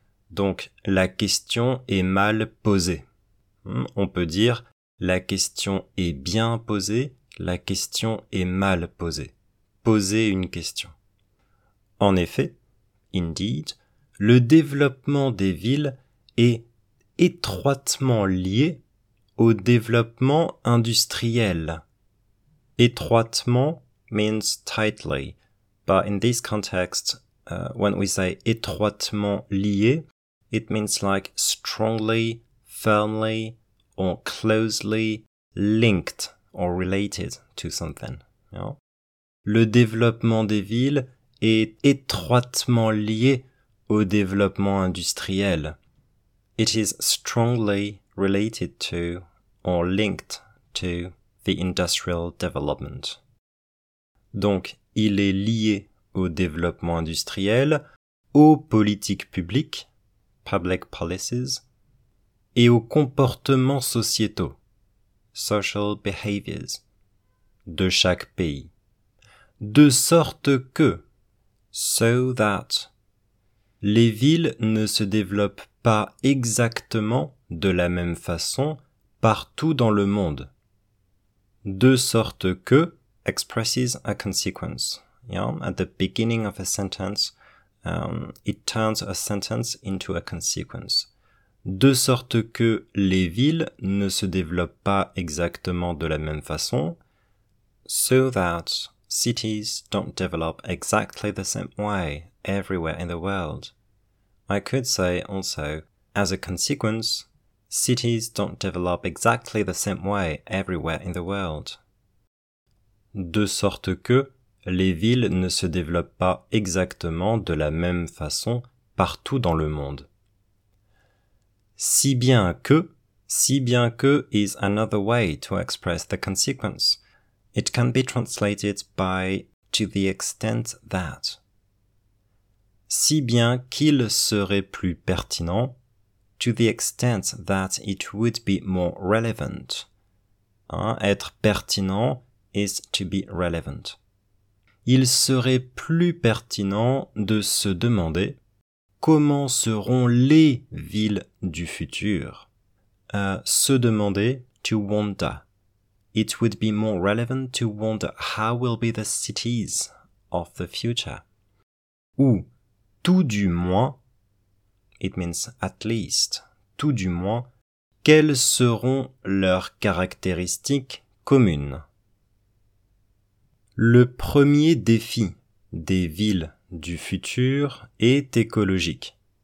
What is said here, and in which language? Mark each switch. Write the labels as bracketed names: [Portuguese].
[French] Donc, la question est mal posée. On peut dire la question est bien posée, la question est mal posée. Poser une question. En effet, [English] indeed, [French] le développement des villes est étroitement lié au développement industriel. [English] Étroitement means tightly, but in this context, when we say [French] étroitement lié, [English] it means like strongly, firmly, or closely linked or related to something. You know? [French] Le développement des villes est étroitement lié au développement industriel. [English] It is strongly related to or linked to the industrial development. [French] Donc, il est lié au développement industriel, aux politiques publiques, [English] public policies, [French] et aux comportements sociétaux, [English] social behaviors, [French] de chaque pays. De sorte que, [English] so that, [French] les villes ne se développent pas exactement de la même façon partout dans le monde. De sorte que [English] expresses a consequence. Yeah? At the beginning of a sentence, it turns a sentence into a consequence. [French] De sorte que les villes ne se développent pas exactement de la même façon. [English] So that cities don't develop exactly the same way everywhere in the world. I could say also, as a consequence, cities don't develop exactly the same way everywhere in the world. [French] De sorte que les villes ne se développent pas exactement de la même façon partout dans le monde. Si bien que [English] is another way to express the consequence. It can be translated by to the extent that. [French] Si bien qu'il serait plus pertinent, [English] to the extent that it would be more relevant. [French] Hein, être pertinent [English] is to be relevant. [French] Il serait plus pertinent de se demander comment seront les villes du futur. Se demander, [English] to wonder. It would be more relevant to wonder how will be the cities of the future. [French] Ou, tout du moins, [English] it means at least, [French] tout du moins, quelles seront leurs caractéristiques communes? Le premier défi des villes du futur est écologique.